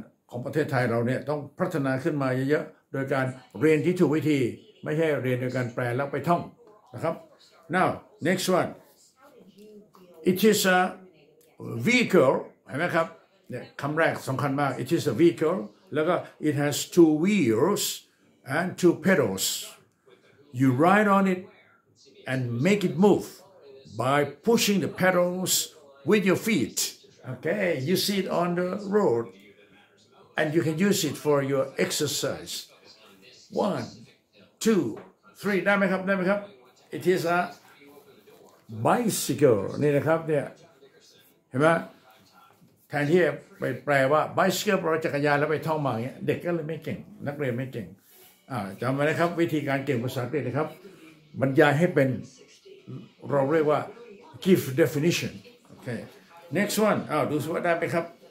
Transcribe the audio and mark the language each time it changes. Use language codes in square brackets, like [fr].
[th] ของประเทศไทยเราเนี่ยต้องพัฒนาขึ้นมาเยอะๆโดยการเรียนที่ถูกวิธีไม่ใช่เรียนโดยการแปลแล้วไปท่องนะครับ [en] now next one it is a vehicle [th] เห็นไหมครับเนี่ยคำแรกสำคัญมาก [en] it is a vehicle [th] แล้วก็ [en] it has two wheels and two pedals you ride on itAnd make it move by pushing the pedals with your feet. Okay, you see it on the road, and you can use it for your exercise. One, two, three. [th] ได้ไหมครับ ได้ไหมครับ [en] It is a bicycle. [th] นี่นะครับเนี่ยเห็นไหมแทนที่ไปแปลว่า bicycle แปลว่าจักรยานแล้วไปท่องมาเงี้ยเด็กก็เลยไม่เก่งนักเรียนไม่เก่งจำไว้นะครับวิธีการเก่งภาษาอังกฤษนะครับบรรยายให้เป็นเราเรียกว่า [en] give definition okay next one [th] ดูสิว่าได้ไหมครับ